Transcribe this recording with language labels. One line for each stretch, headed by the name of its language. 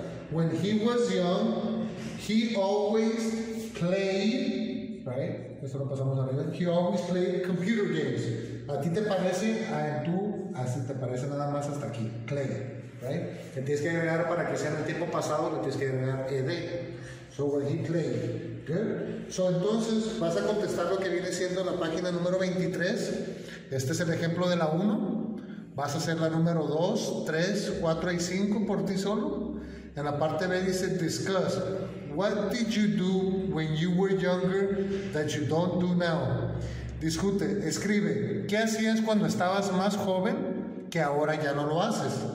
English: When he was young, he always played, right?
Spanish: Eso lo pasamos a ver.
English: He always played computer games.
Spanish: A ti te parece, a tú, así te parece nada más hasta aquí.
English: Play, right?
Spanish: Que tienes que agregar para que sea en el tiempo pasado, le tienes que agregar ed.
English: So when he played, good. So
Spanish: entonces vas a contestar lo que viene siendo la página número 23. Este es el ejemplo de la 1. Vas a hacer la número 2, 3, 4 y 5 por ti solo. En la parte B dice, discuss.
English: What did you do when you were younger that you don't do now?
Spanish: Discute, escribe. ¿Qué hacías cuando estabas más joven que ahora ya no lo haces?